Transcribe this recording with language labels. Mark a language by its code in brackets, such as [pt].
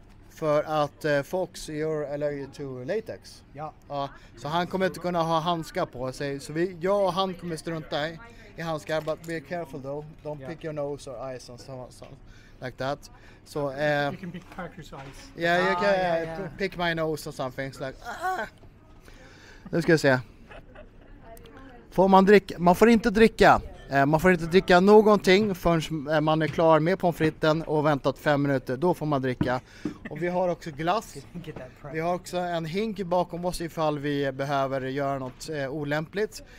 [sv] för att [en] Fox, you're allergic to latex. [sv] Ja. Så han kommer inte kunna ha handskar på sig. Så jag och han kommer strunta i handskar. [en] But be careful though. Don't pick your nose or eyes and so like that. So you can pick Parker's eyes. Yeah, you can pick my nose or something. It's like, [sv] ah! Nu ska jag se. Man får inte dricka någonting förrän man är klar med pommes fritesen och väntat 5 minuter, då får man dricka. Och vi har också glass. Vi har också en hink bakom oss ifall vi behöver göra något olämpligt.